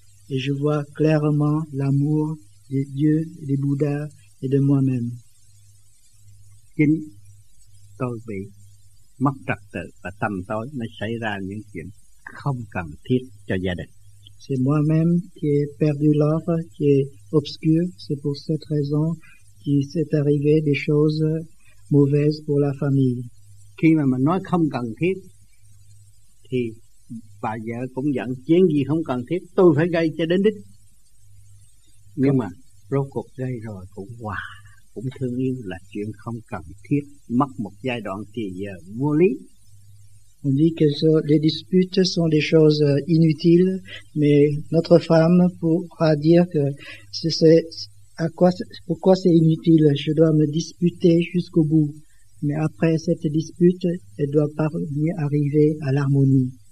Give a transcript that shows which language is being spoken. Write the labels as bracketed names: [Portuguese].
[French] Et je vois clairement l'amour des dieux, des bouddhas et de moi-même. [Vietnamese] Chính tôi bị mất trật tự và tâm tối mới xảy ra những chuyện không cần thiết cho gia đình. [French] C'est moi-même qui ai perdu l'ordre, qui est obscur. C'est pour cette raison qu'il s'est arrivé des choses mauvaises pour la famille. [Vietnamese] Khi mà mình nói không cần thiết, thì bà vợ cũng giận, chuyện gì không cần thiết, tôi phải gây cho đến đích. Nhưng mà rốt cuộc gây rồi cũng hòa, cũng thương yêu là chuyện không cần thiết, mất một giai đoạn thì giờ vô lý. [French] On dit que les disputes sont des choses inutiles, mais notre femme pourra dire que c'est à quoi, pourquoi c'est inutile, je dois me disputer jusqu'au bout. Mais après cette dispute, elle doit parvenir arriver à l'harmonie.